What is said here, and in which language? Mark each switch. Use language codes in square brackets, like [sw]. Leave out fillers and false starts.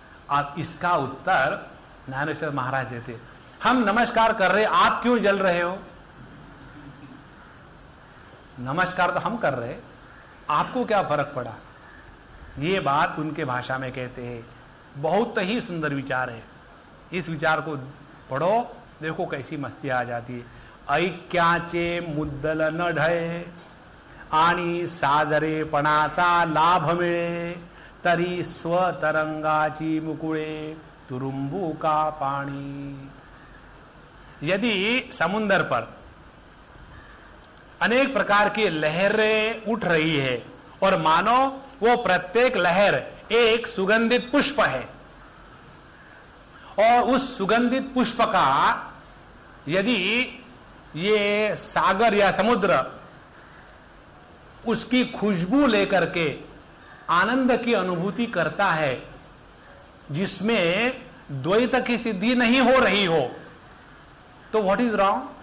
[hi] आप इसका उत्तर ज्ञानेश्वर महाराज देते, हम नमस्कार कर रहे आप क्यों जल रहे हो? नमस्कार तो हम कर रहे, आपको क्या फर्क पड़ा? ये बात उनके भाषा में कहते हैं, बहुत ही सुंदर विचार है। इस विचार को पढ़ो, देखो कैसी मस्ती आ जाती है। [mr] ऐक्याचे मुद्दल न ढळे आणि साजरेपणाचा लाभ मिळे तरी स्वतरंगाची मुकुळे तुरुंबू का पाणी। [hi] यदि समुन्दर पर अनेक प्रकार की लहरें उठ रही है और मानो वो प्रत्येक लहर एक सुगंधित पुष्प है और उस सुगंधित पुष्प का यदि ये सागर या समुद्र उसकी खुशबू लेकर के आनंद की अनुभूति करता है जिसमें द्वैत की सिद्धि नहीं हो रही हो तो [en] What is wrong?